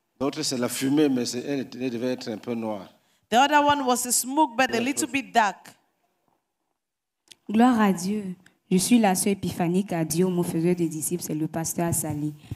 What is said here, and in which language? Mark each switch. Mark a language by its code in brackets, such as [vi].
[fr] L'autre, c'est la fumée, mais elle devait être un peu noire. [en] The other one was a smoke, but a little bit dark. [fr] Gloire à Dieu. Je suis la sœur épiphanique à Dieu, mon faiseur des disciples, c'est le pasteur Assali.